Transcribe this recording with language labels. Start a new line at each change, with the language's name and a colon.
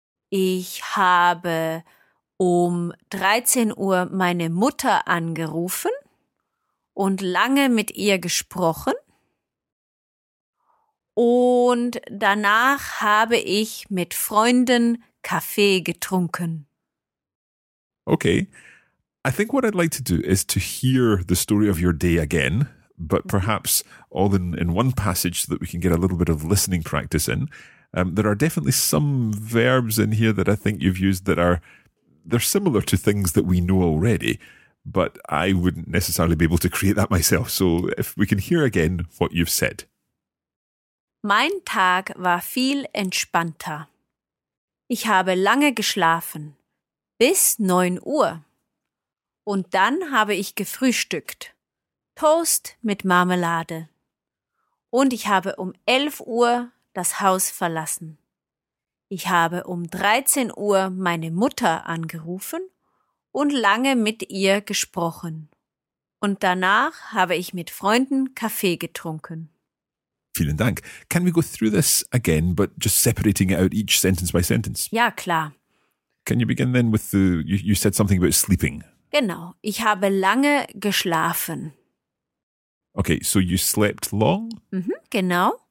German: Ich habe um 13 Uhr meine Mutter angerufen und lange mit ihr gesprochen. Und danach habe ich mit Freunden Kaffee getrunken.
English: Okay, I think what I'd like to do is to hear the story of your day again, but perhaps all in one passage so that we can get a little bit of listening practice in. There are definitely some verbs in here that I think you've used that are... they're similar to things that we know already, but I wouldn't necessarily be able to create that myself. So if we can hear again what you've said.
German: Mein Tag war viel entspannter. Ich habe lange geschlafen, bis 9 Uhr. Und dann habe ich gefrühstückt, Toast mit Marmelade. Und ich habe um 11 Uhr das Haus verlassen. Ich habe um 13 Uhr meine Mutter angerufen und lange mit ihr gesprochen. Und danach habe ich mit Freunden Kaffee getrunken. Vielen Dank.
English: Can we go through this again, but just separating out each sentence by sentence?
German: Ja, klar.
English: Can you begin then with the, you said something about sleeping.
German: Genau. Ich habe lange geschlafen.
English: Okay, so you slept long?
German: Mhm, genau.